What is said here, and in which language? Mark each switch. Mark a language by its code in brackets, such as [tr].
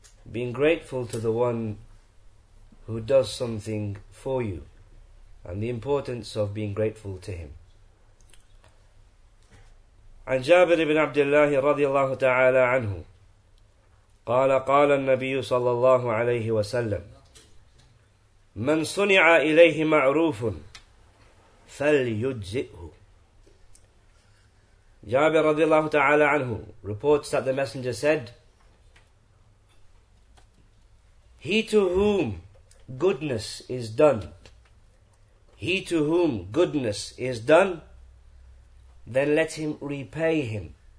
[en] Being grateful to the one who does something for you, and the importance of being grateful to him. [ar] عن جابر بن عبد الله رضي الله تعالى عنه قال قال النبي صلى الله عليه وسلم من صنع إليه معروف فليجزئه. [en] جابر [ar] رضي الله تعالى عنه [en] reports that the messenger said, he to whom goodness is done, he to whom goodness is done, then let him repay him.